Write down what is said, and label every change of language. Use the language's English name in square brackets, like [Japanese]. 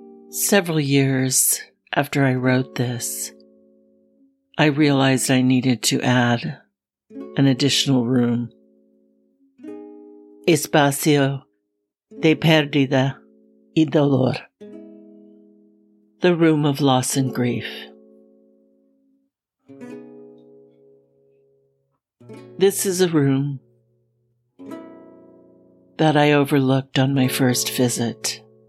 [English] Several years after I wrote this, I realized I needed to add an additional room. [Spanish] Espacio de Pérdida y Dolor. [English] The Room of Loss and Grief. This is a room that I overlooked on my first visit.